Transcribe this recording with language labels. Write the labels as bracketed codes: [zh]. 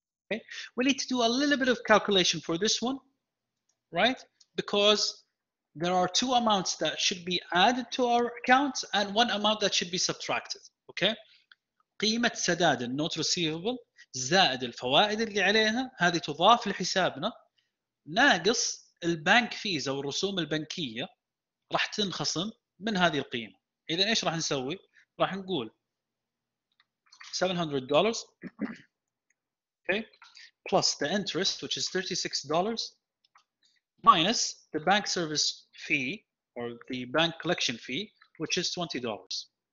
[en] Okay. We need to do a little bit of calculation for this one, right? Because there are two amounts that should be added to our account and one amount that should be subtracted, okay? [ar] قيمة سداد النوت ريسيفبل زائد الفوائد اللي عليها هذه تضاف لحسابنا ناقص البنك فيز او الرسوم البنكيه راح تنخصم من هذه القيمه. اذا ايش راح نسوي؟ راح نقول [en] $700 okay plus the interest which is $36 minus the bank service fee or the bank collection fee which is $20.